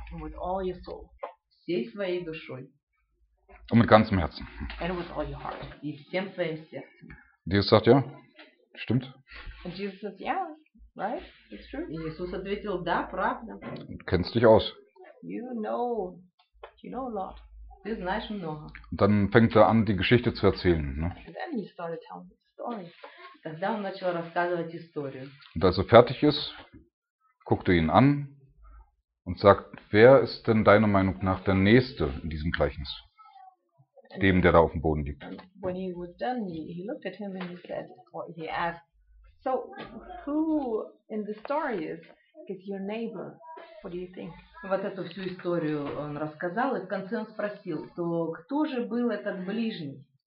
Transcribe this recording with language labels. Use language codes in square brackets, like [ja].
[en] And with all your soul. [ru] Всей своей душой. [de] Und mit ganzem Herzen. [en] And with all your heart. [ru] И всем своим сердцем. [de] Jesus sagt ja. Stimmt. [en] And Jesus says yeah. Right? It's true. [ru] Иисус ответил: "Да, правда." [de] Kennst dich aus. [en] You know a lot. [ru] Ты знаешь много. [de] Dann fängt er an, die Geschichte zu erzählen. Ne? [en] Then he started telling the story. [ru] Тогда он начал рассказывать историю. [de] Und als er fertig ist, guckt er ihn an und sagt, wer ist denn deiner Meinung nach der Nächste in diesem Gleichnis? Dem, der da auf dem Boden liegt. [en] When he was done, he looked at him and he said, or he asked, so who in the story is your neighbor? What do you think? [ru] Вот эту всю историю он рассказал, и в конце он спросил, то кто же был этот ближний?